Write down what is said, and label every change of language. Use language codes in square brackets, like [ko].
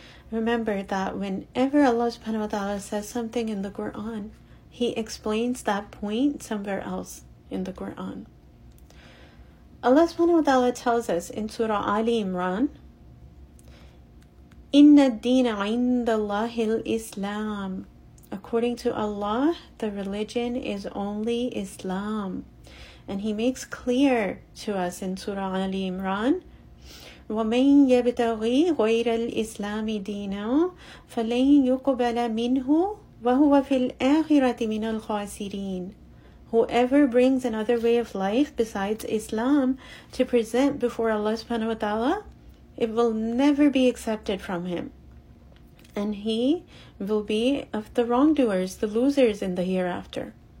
[en] Remember that whenever Allah subhanahu wa ta'ala says something in the Quran, he explains that point somewhere else in the Quran. Allah subhanahu wa ta'ala tells us in Surah Ali Imran, [ar] Inna ad-deena 'indallahi al-Islam. [en] According to Allah, the religion is only Islam. And he makes clear to us in Surah Ali Imran, [ar] وَمَنْ يَبْتَغِي غَيْرَ الْإِسْلَامِ دِينًا فَلَنْ يُقْبَلَ مِنْهُ وَهُوَ فِي الْآخِرَةِ مِنَ الْخَاسِرِينَ. [en] Whoever brings another way of life besides Islam to present before Allah subhanahu wa ta'ala, it will never be accepted from him. and he will be of the wrongdoers, the losers in the hereafter.